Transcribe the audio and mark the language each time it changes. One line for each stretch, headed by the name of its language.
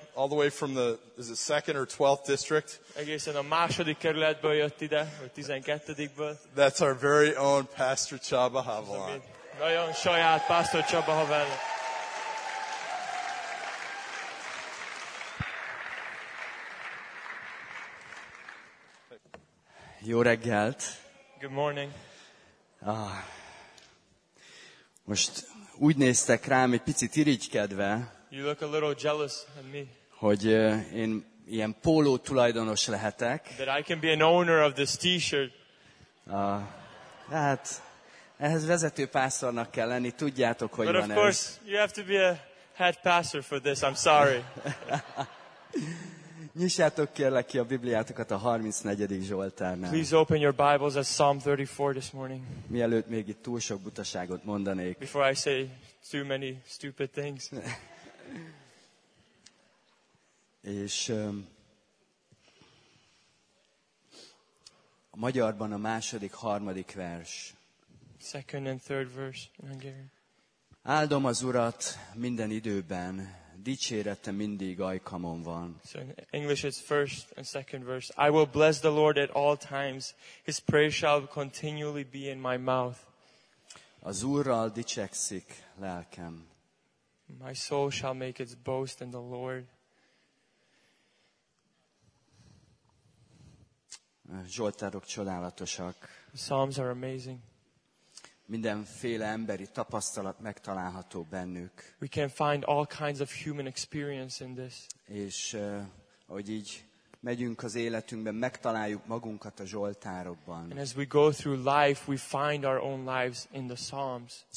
English: All the way from the, is it 2nd or 12th district?
Hungarian: Egészen a második kerületből jött ide, vagy 12-ből.
English: That's our very own Pastor Csaba Havelaar.
Hungarian: Nagyon saját Pastor Csaba Havelaar. Jó reggelt!
English: Good morning!
Hungarian: Most úgy néztek rám, egy picit irigykedve,
English: you look a little jealous at me.
Hungarian: Hogy én ilyen póló tulajdonos lehetek.
English: That I can be an owner of this t-shirt.
Hungarian: Hát, ehhez vezető pásztornak kell lenni, tudjátok, hogy
English: but
Hungarian: van ez.
English: But of course, you have to be a head pastor for this, I'm sorry.
Hungarian: Nyissátok kérlek ki a Bibliátokat a 34. Zsoltárnál.
English: Please open your Bibles at Psalm 34 this morning.
Hungarian: Mielőtt még itt túl sok butaságot mondanék.
English: Before I say too many stupid things.
Hungarian: És a magyarban a második, harmadik vers.
English: Second and third verse in Hungarian.
Hungarian: Áldom az Urat minden időben. Dicsérete mindig ajkamon van.
English: So in English it's first and second verse. I will bless the Lord at all times. His praise shall continually be in my mouth.
Hungarian: Az Úrral dicsekszik lelkem.
English: My soul shall make its boast in the Lord.
Hungarian: Zsoltárok csodálatosak.
English: Psalms are amazing.
Hungarian: Mindenféle emberi tapasztalat megtalálható bennük.
English: We can find all kinds of human experience in this.
Hungarian: És hogy így megyünk az életünkben, megtaláljuk magunkat a Zsoltárokban.
English: And as we go through life, we find our own lives in the Psalms.